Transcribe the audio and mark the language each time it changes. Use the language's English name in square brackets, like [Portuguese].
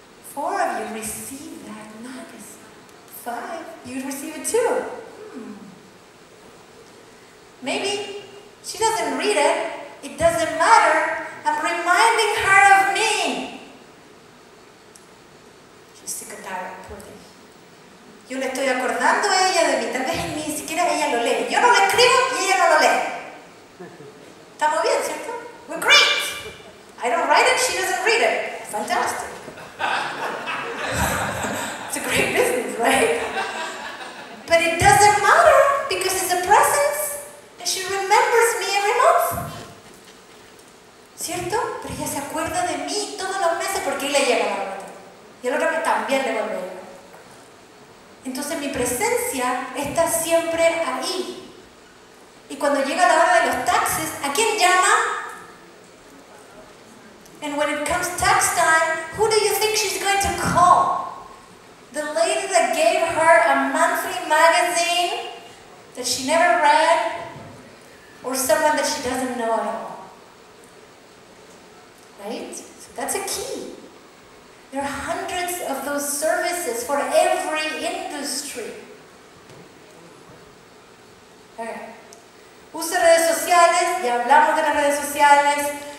[English] Four of you receive that magazine. Five, you'd receive it too. Maybe she doesn't read it. It doesn't matter. I'm reminding her of me. She's sick of that, poor thing. [Spanish] Yo le estoy acordando a ella de mí. Tal vez ni siquiera ella lo lee. Yo no lo escribo y ella no lo lee. Estamos bien, ¿cierto? [English] We're great. I don't write it, she doesn't read it. Fantastic. It's a great business, right? But it doesn't matter because it's a presence and she remembers me every month. [Spanish] ¿Cierto? Pero ella se acuerda de mí todos los meses porque le llega la nota. Y el otro mes también le vuelve. Entonces mi presencia está siempre ahí. Y cuando llega la hora de los taxes, ¿a quién llama? [English] And when it comes tax time, who do you think she's going to call? The lady that gave her a monthly magazine that she never read, or someone that she doesn't know at all? Right? So that's a key. There are hundreds of those services for every industry. Okay. [Spanish] Use redes sociales, ya hablamos de las redes sociales.